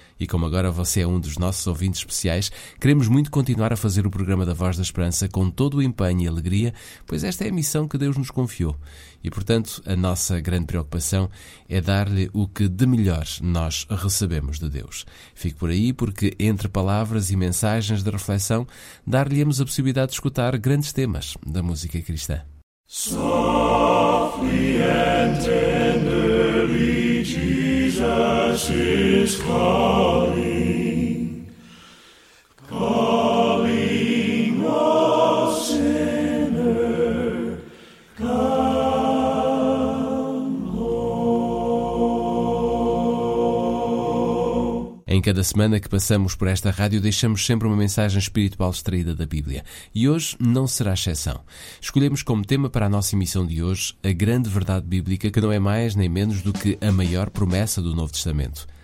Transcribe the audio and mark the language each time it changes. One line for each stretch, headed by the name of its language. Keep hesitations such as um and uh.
Portuguese: E como agora você é um dos nossos ouvintes especiais, queremos muito continuar a fazer o programa da Voz da Esperança com todo o empenho e alegria, pois esta é a missão que Deus nos confiou. E portanto, a nossa grande preocupação é dar-lhe o que de melhor nós recebemos de Deus. Fique por aí, porque entre palavras e mensagens de reflexão, dar-lhe-emos a possibilidade de escutar grandes temas da música cristã.
English: Softly and tenderly, Jesus is calling, calling a sinner, come home.
Portuguese: Em cada semana que passamos por esta rádio, deixamos sempre uma mensagem espiritual extraída da Bíblia. E hoje não será exceção. Escolhemos como tema para a nossa emissão de hoje a grande verdade bíblica, que não é mais nem menos do que a maior promessa do Novo Testamento.